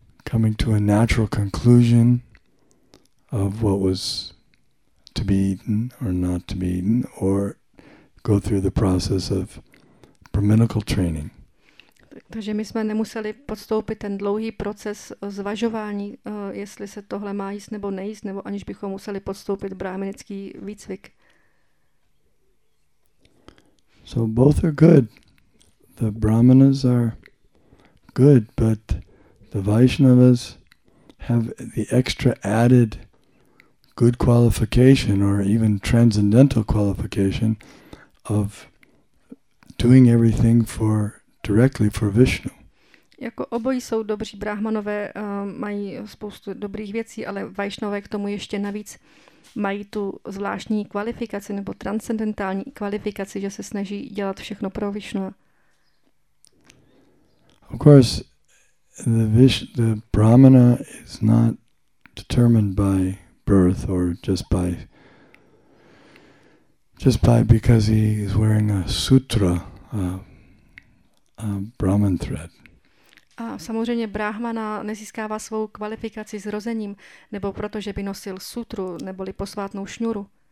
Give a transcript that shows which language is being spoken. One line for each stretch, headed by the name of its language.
English: coming to a natural conclusion of what was to be eaten or not to be eaten, or go through the process of brahminical training.
Czech: Takže my jsme nemuseli podstoupit ten dlouhý proces zvažování, jestli se tohle má jíst nebo nejíst, nebo aniž bychom museli podstoupit brahminický výcvik.
English: So both are good. The brahmanas are good, but the Vaishnavas have the extra added good qualification, or even transcendental qualification, of doing everything for directly for Vishnu.
Czech: Jako obojí jsou dobří brahmanové, mají spoustu dobrých věcí, ale Vaishnavové k tomu ještě navíc mají tu zvláštní kvalifikaci nebo transcendentální kvalifikaci, že se snaží dělat všechno pro Vishnu.
English: Of course, the brahmana is not determined by birth or just by because he is wearing a sutra, a Brahman thread.
Czech: A samozřejmě brahmana nezískává svou kvalifikaci zrozením, nebo protože by nosil sutru, neboli posvátnou šňuru.